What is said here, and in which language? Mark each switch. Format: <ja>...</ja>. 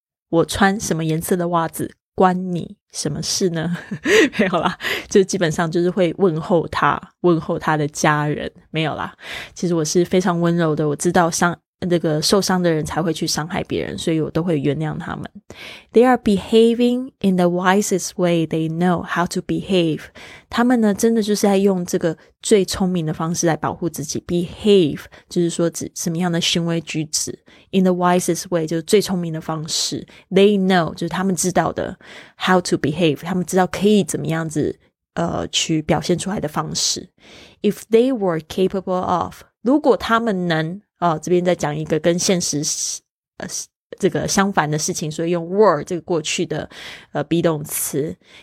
<zh>我穿什么颜色的袜子关你什么事呢？没有啦，就基本上就是会问候他，问候他的家人。没有啦，其实我是非常温柔的，我知道受伤的人才会去伤害别人，所以我都会原谅他们。</zh> <en>They are behaving in the wisest way they know how to behave,</en> <zh>他们呢真的就是在用这个最聪明的方式来保护自己。 behave 就是说指什么样的行为举止， in the wisest way 就是最聪明的方式， they know 就是他们知道的 how to behave, 他们知道可以怎么样子去表现出来的方式。</zh> <en>if they were capable of,</en> <zh>如果他们能这边再讲一个跟现实这个相反的事情，所以用 were 这个过去的be 动词。</zh>